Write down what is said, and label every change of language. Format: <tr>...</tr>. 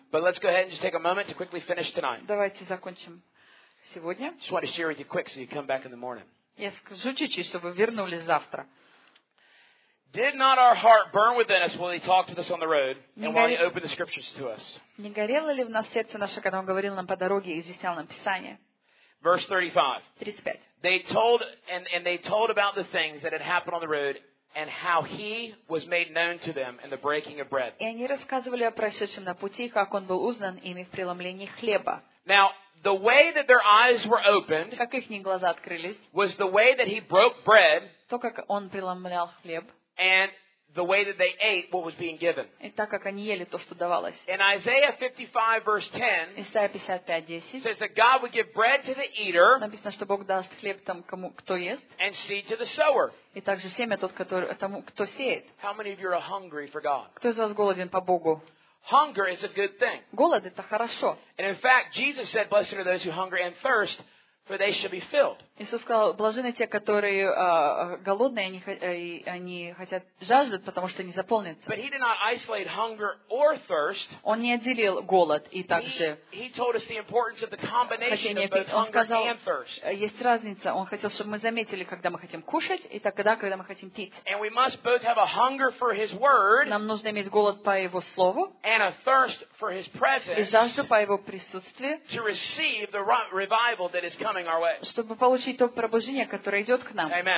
<en>But let's go ahead and just take a moment to quickly finish tonight.</en> <ru>Давайте закончим сегодня.</ru> <en>Just want to share with you quick so you come back in the morning.</en> <ru>Я скажу чуть-чуть, чтобы вы вернулись завтра.</ru> <en>Did not our heart burn within us while he talked with us on the road and while he opened the scriptures to us?</en> <ru>Не горело ли в нас сердце наше, когда он говорил нам по дороге и изъяснял нам Писание?</ru> <en>Verse 35.</en> <ru>35.</ru> <en>They told about the things that had happened on the road. and how he was made known to them in the breaking of bread.</en> <ru>И они рассказывали о прошедшем на пути, как он был узнан ими в преломлении хлеба.</ru> <en>Now, the way that their eyes were opened,</en> <ru>как их глаза открылись,</ru> <en>was the way that he broke bread,</en> <ru>то как он преломлял хлеб,</ru> <en>and the way that they ate what was being given.</en> <ru>И так как они ели то, что давалось.</ru> <en>In Isaiah 55 verse 10,</en> <ru>Исайя 55:10,</ru> <en>says that God would give bread to the eater,</en> <ru>написано, что Бог даст хлеб там кому кто ест,</ru> <en>and seed to the sower.</en> <ru>И также семя тот, который тому кто сеет.</ru> <en>How many of you are hungry for God?</en> <ru>Кто из вас голоден по Богу?</ru> <en>Hunger is a good thing.</en> <ru>Голод это хорошо.</ru> <en>And in fact, Jesus said, "Blessed are those who hunger and thirst, for they shall be filled."</en> <ru>Иисус сказал, блаженны те, которые голодные, они хотят жаждут, потому что они заполнятся.</ru> <en>But he did not isolate hunger or thirst.</en> <ru>Он не отделил голод и также.</ru> <en>He told us the importance of the combination of both hunger and thirst.</en> <ru>Есть разница. Он хотел, чтобы мы заметили, когда мы хотим кушать и тогда, когда мы хотим пить.</ru> <en>And we must both have a hunger for his word.</en> <ru>Нам нужно иметь голод по его слову.</ru> <en>And a thirst for his presence.</en> <ru>И жажду по его присутствию.</ru> <en>To receive the revival that is coming our way.</en> <ru>Чтобы получить то пробуждение, которое идет к нам.</ru>